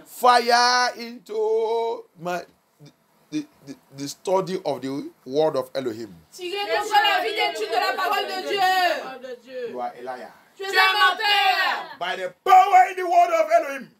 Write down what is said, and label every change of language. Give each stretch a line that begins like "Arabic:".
English: Fire into my the study of the word of Elohim.
French: Tirez contre la vie d'étude de la parole de Dieu.
English: You are a liar.
French: Tu es un menteur.
English: By the power in the word of Elohim.